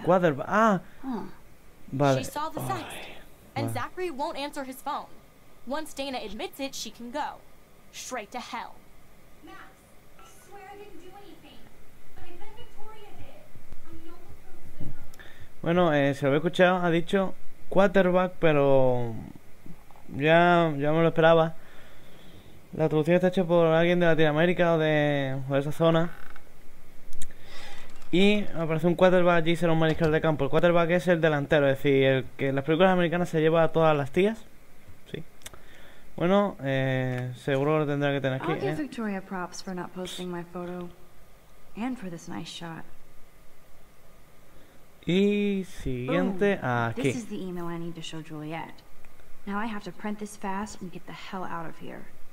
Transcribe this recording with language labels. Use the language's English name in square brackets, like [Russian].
[English] Ah, quarterback. Ah. [Spanish] Vale. [English] She saw the sex. And Zachary won't answer his phone. Once Dana admits it, she can go. Straight to hell. Max, I swear I didn't do anything. But I bet Victoria did. I know the [Spanish] truth. Bueno, se lo he escuchado. Ha dicho quarterback, pero ya me lo esperaba. La traducción está hecha por alguien de Latinoamérica o de esa zona. Y aparece un quarterback allí, será un mariscal de campo. El quarterback es el delantero, es decir, el que en las películas americanas se lleva a todas las tías. Sí. Bueno, seguro lo tendrá que tener aquí. [English] I'll give Victoria props for not posting my photo. And for this nice shot. [Spanish] Y siguiente, aquí. [English] This is the email I need to show Juliet. Now I have to print this fast and get the hell out of here.